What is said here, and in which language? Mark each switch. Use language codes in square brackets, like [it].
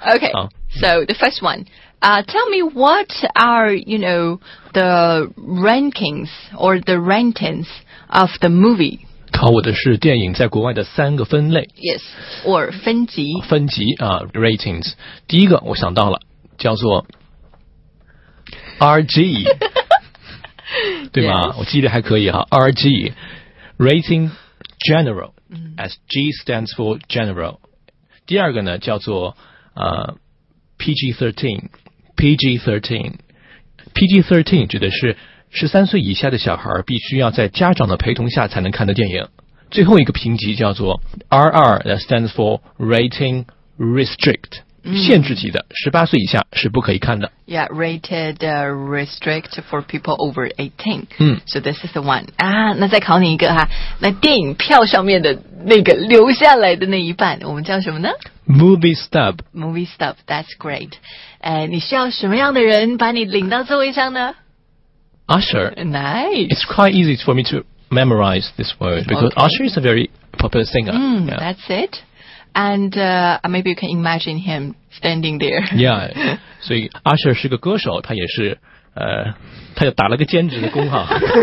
[en] OK， so the first one， tell me what are you know the rankings or the ratings of the movie？ [zh] 考我的是电影在国外的三个分类。 [en] Yes， or 分级。 [zh] 分级啊、ratings， 第一个我想到了叫做 RG， 对吗？ [en] Yes. [zh] 我记得还可以哈 [en] ，RG。Rating General, as G stands for General. [zh] 第二个呢叫做PG-13 指的是13岁以下的小孩必须要在家长的陪同下才能看的电影。最后一个评级叫做 [en] RR, that stands for Rating Restrict. [zh] 限制级的18岁以下是不可以看的。 [en] Yeah, rated restrict for people over 18. So this is the one. [zh] 啊，那再考你一个哈，那电影票上面的那个留下来的那一半我们叫什么呢？ [en] Movie stub. Movie stub, that's great. [zh] 你需要什么样的人把你领到座位上呢？ [en] Usher. Nice. It's quite easy for me to memorize this word because、 okay. Usher is a very popular singer.、 Yeah. That's it. And、maybe you can imagine him standing there. [zh] Yeah, 所以 Usher 是个歌手，他也是他也打了个兼职的工哈。